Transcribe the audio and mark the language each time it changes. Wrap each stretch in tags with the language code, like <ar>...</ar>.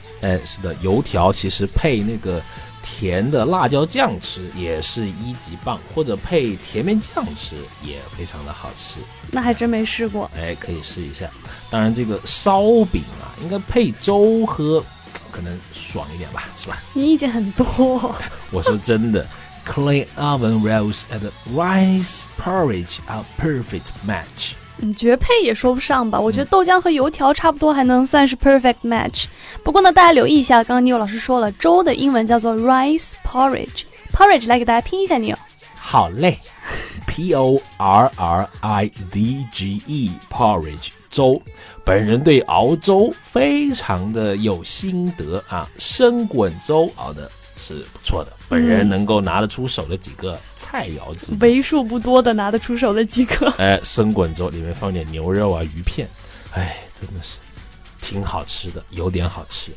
<zh>哎，是的，油条其实配那个甜的辣椒酱吃也是一级棒，或者配甜面酱吃也非常的好吃。那还真没试过。哎，可以试一下。当然，这个烧饼啊，应该配粥喝，可能爽一点吧，是吧？你意见很多。我说真的。</zh> <en>Clay oven rolls and rice porridge are perfect match.</en> <zh>绝配也说不上吧，我觉得豆浆和油条差不多还能算是 perfect match。不过呢，大家留意一下，刚刚你有老师说了，粥的英文叫做 rice porridge。 Porridge 来给大家拼一下，你有。好嘞 ，porridge porridge 粥。本人对熬粥非常的有心得啊，生滚粥熬的是不错的。本人能够拿得出手的几个菜肴之一，为数不多的拿得出手的几个。哎，生滚粥里面放点牛肉啊、鱼片，哎，真的是挺好吃的，有点好吃。</zh>